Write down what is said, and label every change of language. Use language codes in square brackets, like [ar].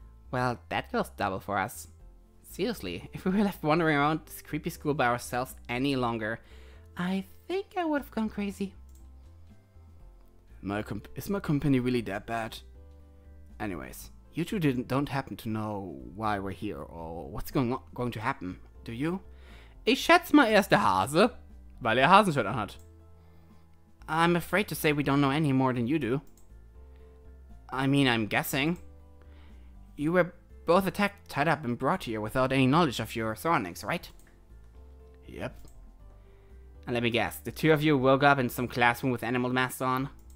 [en] Well, that goes double for us. Seriously, if we were left wandering around this creepy school by ourselves any longer, I think I would've gone crazy. Is my company really that bad? Anyways, you two don't happen to know why we're here or what's going to happen, do you? [de] Ich schätze mal, er ist der Hase, weil er Hasenschwert anhat. [en] I'm afraid to say we don't know any more than you do. I mean, I'm guessing. You were both attacked, tied up, and brought here without any knowledge of your surroundings, right? Yep. And let me guess, the two of you woke up in some classroom with animal masks on?